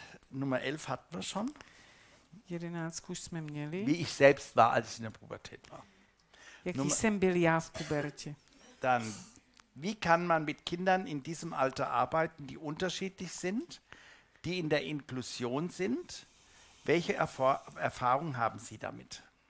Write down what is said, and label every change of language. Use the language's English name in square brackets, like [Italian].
[German] Nummer 11 hatten wir schon. [Czech] 11 už jsme měli. [German] Wie ich selbst war, als ich in der Pubertät war. [Czech] Jaký jsem byl já v pubertě. [German] Dann, wie kann man mit Kindern in diesem Alter arbeiten, die unterschiedlich sind, die in der Inklusion sind? Welche Erfahrung haben Sie damit?